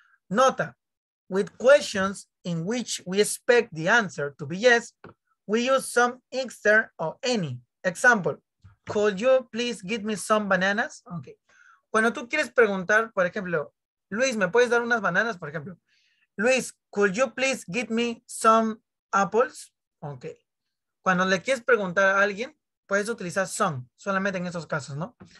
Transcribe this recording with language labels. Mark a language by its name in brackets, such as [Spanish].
[English] Nota, with questions in which we expect the answer to be yes, we use some instead of any. Example, could you please give me some bananas? Okay. [Spanish] Cuando tú quieres preguntar, por ejemplo, Luis, ¿me puedes dar unas bananas? Por ejemplo, [English] Luis, could you please give me some apples? Okay. [Spanish] Cuando le quieres preguntar a alguien, puedes utilizar some, solamente en esos casos, ¿no?